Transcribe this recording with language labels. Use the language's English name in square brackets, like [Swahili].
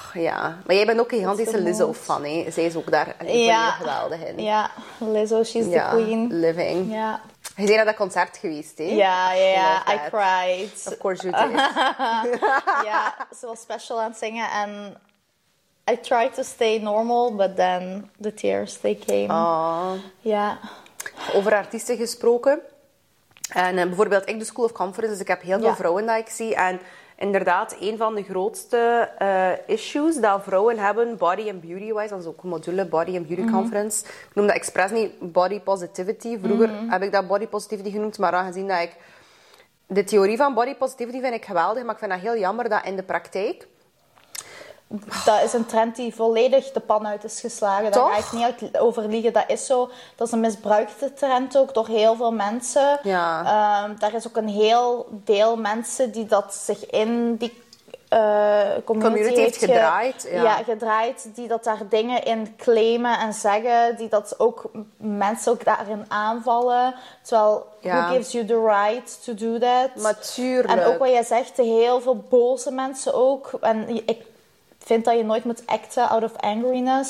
[Dutch] Ja. Maar jij bent ook een gigantische Lizzo-fan, hè. Zij is ook daar geweldig in. [English] Ja, Lizzo, she's the queen. Living. [Dutch] Ja. Je bent naar dat concert geweest, hè. Ja, ja, ja. [English] I cried. Of course you did. [Dutch] Ja, ze was special aan het zingen en... [English] I tried to stay normal, but then the tears, they came. Aww. [Dutch] Ja. Over artiesten gesproken. En bijvoorbeeld, ik doe School of Conference, dus ik heb heel veel vrouwen dat ik zie. En inderdaad, een van de grootste issues dat vrouwen hebben, [English] body and beauty-wise, [Dutch] dat is ook een module, body and beauty conference. Ik noem dat expres niet body positivity. Vroeger heb ik dat body positivity genoemd, maar aangezien dat ik... De theorie van body positivity vind ik geweldig, maar ik vind dat heel jammer dat in de praktijk... Dat is een trend die volledig de pan uit is geslagen. Toch? Daar ga ik niet over liegen. Dat is zo. Dat is een misbruikte trend ook door heel veel mensen. Ja. Daar is ook een heel deel mensen die dat zich in die community heeft gedraaid. Gedraaid. Die dat daar dingen in claimen en zeggen. Die dat ook mensen ook daarin aanvallen. Terwijl, [English] who gives you the right to do that? [Dutch] Natuurlijk. En ook wat jij zegt, heel veel boze mensen ook. En ik vind dat je nooit moet acten [English] out of angriness.